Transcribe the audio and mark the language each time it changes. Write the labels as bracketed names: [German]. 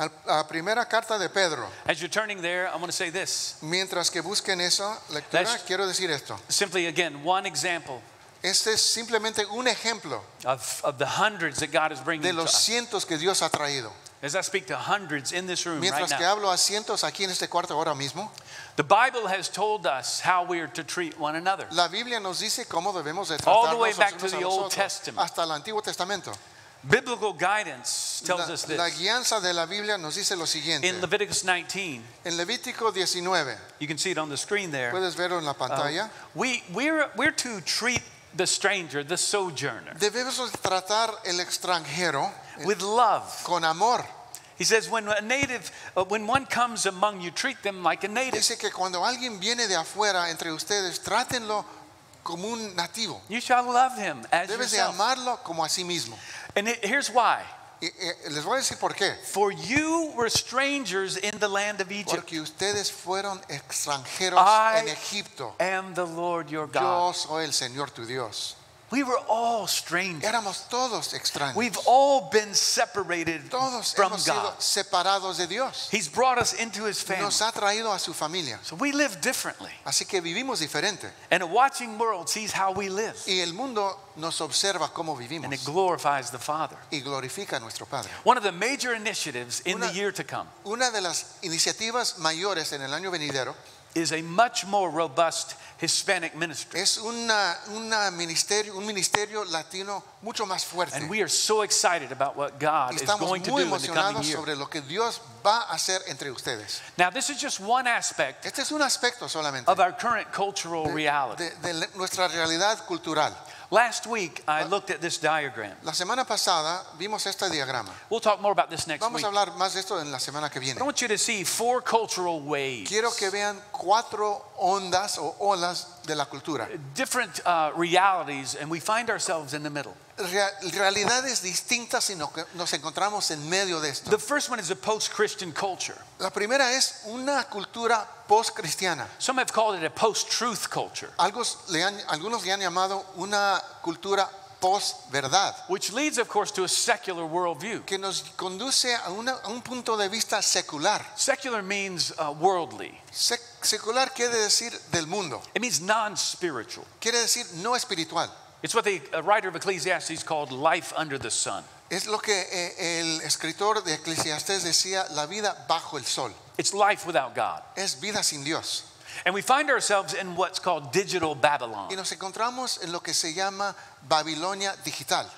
[Spanish] A primera carta de Pedro. [English] As you're turning there, I'm going to say this. [Spanish] Mientras que busquen esa lectura, [English] That's [Spanish] quiero decir esto. [English] Simply again, one example. [Spanish] Este es simplemente un ejemplo. [English] Of the hundreds that God is bringing [Spanish] de los [English] to [Spanish] cientos [English] us. [Spanish] Que Dios ha traído. [English] As I speak to hundreds in this room [Spanish] Mientras [English] right [Spanish] que [English] now. [Spanish] Hablo a cientos aquí en este cuarto ahora mismo. [English] The Bible has told us how we are to treat one another. [Spanish] La Biblia nos dice cómo debemos de tratarnos [English] All the way back to the Old Testament. [Spanish] Hasta el Antiguo Testamento. [English] Biblical guidance tells us this. [Spanish] La guianza de la Biblia nos dice lo siguiente. [English] In Leviticus 19. [Spanish] En Levítico 19. [English] You can see it on the screen there. [Spanish] Puedes verlo en la pantalla. [English] We're to treat the stranger, the sojourner. [Spanish] Debemos tratar el extranjero. [English] With love. [Spanish] Con amor. [English] He says, when one comes among you, treat them like a native. [Spanish] Dice que cuando alguien viene de afuera entre ustedes, trátenlo como un nativo. [English] You shall love him as [Spanish] Debes Debes de amarlo como a sí mismo. [English] And here's why. [Spanish] Les voy a decir por qué. [English] For you were strangers in the land of Egypt. [Spanish] Porque ustedes fueron extranjeros [English] I [Spanish] en Egipto. [English] I am the Lord your God. [Spanish] Yo soy el Señor tu Dios. [English] We were all strangers. [Spanish] Éramos todos extraños. [English] We've all been separated [Spanish] todos [English] from [Spanish] hemos [English] God. [Spanish] Sido separados de Dios. [English] He's brought us into his family. [Spanish] Nos ha traído a su familia. [English] So we live differently. [Spanish] Así que vivimos diferente. [English] And a watching world sees how we live. [Spanish] Y el mundo nos observa cómo vivimos. [English] And it glorifies the Father. [Spanish] Y glorifica a nuestro Padre. [English] One of the major initiatives in the year to come. [Spanish] Una de las iniciativas mayores en el año venidero [English] is a much more robust Hispanic ministry. [Spanish] Es un ministerio latino mucho más fuerte. [English] And we are so excited about what God is going to do in the coming year. [Spanish] Sobre lo que Dios va a hacer entre ustedes. [English] Now this is just one aspect [Spanish] este es un aspecto solamente [English] of our current cultural reality. [Spanish] De nuestra realidad cultural. [English] Last week I looked at this diagram. [Spanish] La semana pasada vimos este diagrama. [English] We'll talk more about this next [Spanish] Vamos [English] week. [Spanish] A hablar más de esto en la semana que viene. [English] I want you to see four cultural waves. [Spanish] Quiero que vean cuatro ondas o olas de la cultura. [English] Different realities and we find ourselves in the middle. [Spanish] Realidades distintas sino que nos encontramos en medio de esto. [English] The first one is a post-Christian culture. [Spanish] La primera es una cultura post-cristiana. [English] Some have called it a post-truth culture. [Spanish] Algunos le han llamado una cultura post-verdad. [English] Which leads, of course, to a secular worldview. [Spanish] Que nos conduce a un punto de vista secular. [English] Secular means worldly. [Spanish] Secular quiere decir del mundo. [English] It means non-spiritual. [Spanish] Quiere decir no espiritual. [English] It's what the writer of Ecclesiastes called life under the sun. [Spanish] Es lo que el escritor de Eclesiastés decía, la vida bajo el sol. [English] It's life without God. [Spanish] Es vida sin Dios. [English] And we find ourselves in what's called digital Babylon. [Spanish] Y nos encontramos en lo que se llama Babilonia digital.